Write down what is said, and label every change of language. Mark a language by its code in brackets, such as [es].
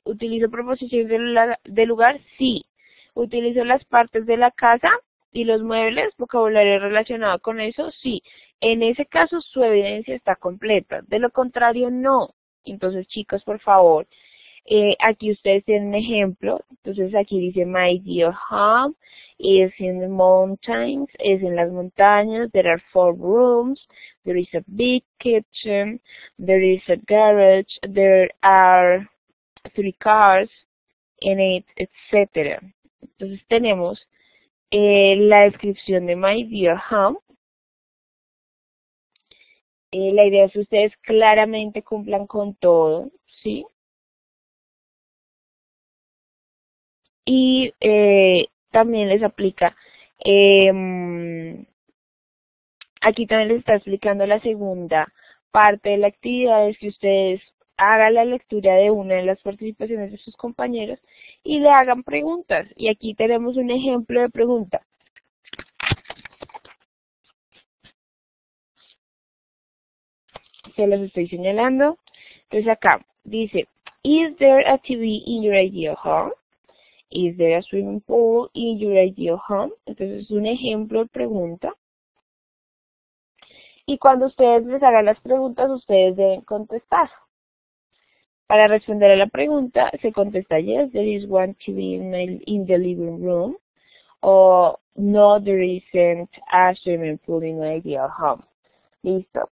[es] ¿Utilizo preposiciones de lugar? Sí. ¿Utilizo las partes de la casa y los muebles, vocabulario relacionado con eso? Sí. En ese caso, su evidencia está completa. De lo contrario, no. Entonces, chicos, por favor, aquí ustedes tienen un ejemplo. Entonces, aquí dice, [en] My dear home is in the mountains, [es] es en las montañas, [en] there are four rooms, there is a big kitchen, there is a garage, there are three cars in it, etc. [es] Entonces, tenemos la descripción de My Dear Home. La idea es que ustedes claramente cumplan con todo, ¿sí? Y también les aplica, aquí también les está explicando la segunda parte de la actividad, es que ustedes hagan la lectura de una de las participaciones de sus compañeros y le hagan preguntas. Y aquí tenemos un ejemplo de pregunta. Se los estoy señalando. Entonces acá dice, [en] Is there a TV in your ideal home? Is there a swimming pool in your ideal home? [es] Entonces es un ejemplo de pregunta. Y cuando ustedes les hagan las preguntas, ustedes deben contestar. Para responder a la pregunta, se contesta [en] yes, there is one TV in the living room. [es] O no, [en] there isn't a swimming pool in my ideal home. [es] Listo.